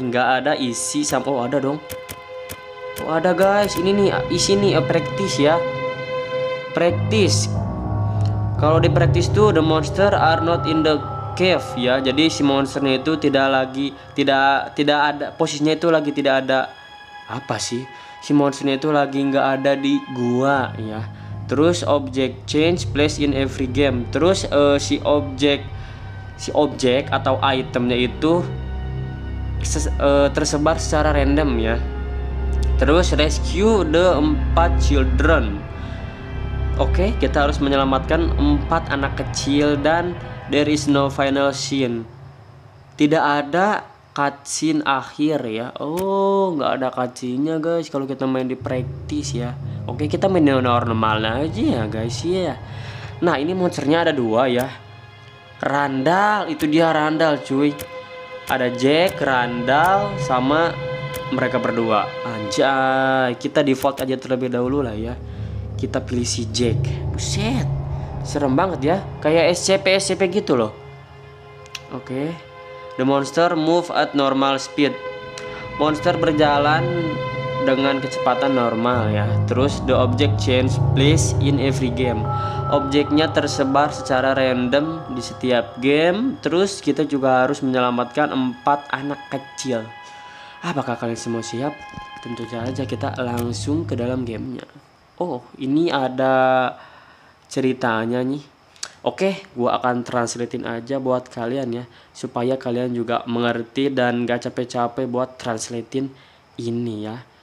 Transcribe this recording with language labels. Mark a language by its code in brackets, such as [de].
[id] Nggak ada isi sama. Oh ada dong. Oh ada guys, ini nih isi nih practice ya. Practice. Kalau di practice tuh [en] the monster are not in the cave ya. [id] Jadi si monsternya itu tidak ada posisinya itu lagi tidak ada apa sih? Si monsternya itu lagi enggak ada di gua ya. [en] Terus object change place in every game. [id] Terus si objek atau itemnya itu tersebar secara random ya. Terus [en] rescue the 4 children. [id] Oke, kita harus menyelamatkan 4 anak kecil dan [en] there is no final scene. [id] Tidak ada cutscene akhir ya. Oh, nggak ada cutscene-nya guys kalau kita main di practice ya. Oke, kita main di normal aja ya guys ya. Nah, ini monsternya ada 2 ya. Randall, itu dia Randall cuy. Ada Jack, Randall, sama mereka berdua. Anjay, kita default aja terlebih dahulu lah ya. Kita pilih si Jack. Buset, serem banget ya. Kayak SCP-SCP gitu loh. Oke. [en] The monster move at normal speed. [id] Monster berjalan dengan kecepatan normal ya. [en] Terus the object change place in every game. [id] Objeknya tersebar secara random di setiap game. Terus kita juga harus menyelamatkan 4 anak kecil. Apakah kalian semua siap? Tentu saja kita langsung ke dalam gamenya. Oh, ini ada ceritanya nih. Oke, gua akan translatein aja buat kalian ya, supaya kalian juga mengerti dan gak capek-capek buat translatein ini ya.